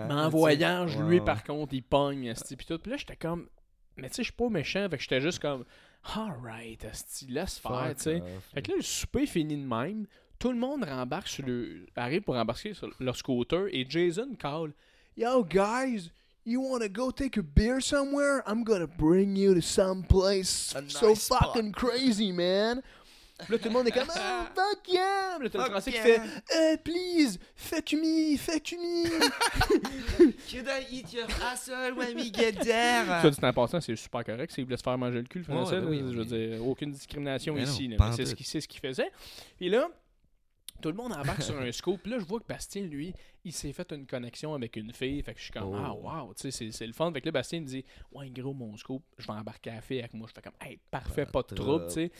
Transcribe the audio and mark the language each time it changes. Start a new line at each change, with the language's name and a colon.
French: Mais en voyage, lui, par contre, il pogne. Puis là, j'étais comme, mais tu sais, je suis pas méchant, fait que j'étais juste comme, alright, laisse faire. T'sais. Fait que là, le souper est fini de même. Tout le monde rembarque sur le. Arrive pour embarquer sur leur scooter et Jason call,
English: yo, guys! You want to go take a beer somewhere? I'm going to bring you to some place nice so fucking Crazy, man.
French: Puis là, tout le monde est comme,
English: oh, fuck yeah!
French: Puis là, le français qui fait,
English: please, fuck me. Could I eat your asshole when we get there?
French: Ça, du temps passant, c'est super correct. C'est il voulait se faire manger le cul, le français. Je veux dire, aucune discrimination mais ici. Non, là, mais c'est ce qu'il faisait. Puis là, tout le monde embarque sur un scoop. Puis là, je vois que Bastien, lui... Il s'est fait une connexion avec une fille. Fait que je suis comme, ah, wow, tu sais, c'est le fun. Fait que là, Bastien me dit, ouais, gros, mon scoop, je vais embarquer à la fille avec moi. Je fais comme, hey, parfait, pas de trouble, tu sais.